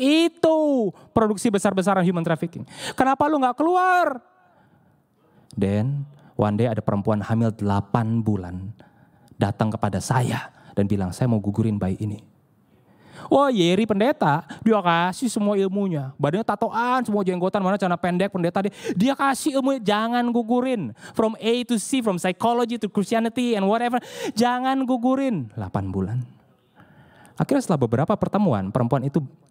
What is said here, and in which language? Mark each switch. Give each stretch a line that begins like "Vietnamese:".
Indonesian: Itu produksi besar-besaran human trafficking. Kenapa lu gak keluar? Den,
English: one day
Indonesian: ada perempuan hamil 8 bulan datang kepada saya dan bilang, saya mau gugurin bayi ini. Oh Yeri pendeta, dia kasih semua ilmunya. Badannya tatoan, semua jenggotan, mana celana pendek pendeta dia. Dia kasih ilmu, jangan gugurin.
English: From A to C, from psychology to Christianity and whatever.
Indonesian: Jangan gugurin. 8 bulan. Akhirnya setelah beberapa pertemuan, perempuan itu